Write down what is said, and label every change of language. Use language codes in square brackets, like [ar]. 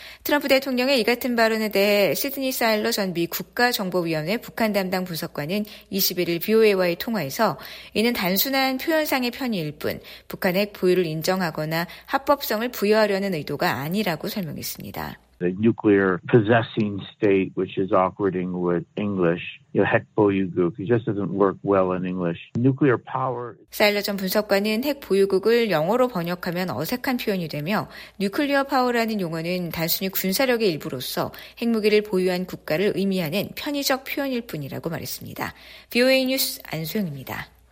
[ko] 트럼프 대통령의 이 같은 발언에 대해 시드니 사일러 전 미 국가정보위원회 북한 담당 부석관은 21일 BOA와의 통화에서 이는 단순한 표현상의 편의일 뿐 북한의 핵 보유를 인정하거나 합법성을 부여하려는 의도가 아니라고 설명했습니다. [en] The nuclear possessing state, which is awkward in English, you know, 핵 보유국, it just doesn't work well in English. Nuclear power. [ko] 사일러 전 분석관은 핵 보유국을 영어로 번역하면 어색한 표현이 되며, 뉴클리어 파워라는 용어는 단순히 군사력의 일부로서 핵무기를 보유한 국가를 의미하는 편의적 표현일 뿐이라고 말했습니다. BOA 뉴스 안소영입니다.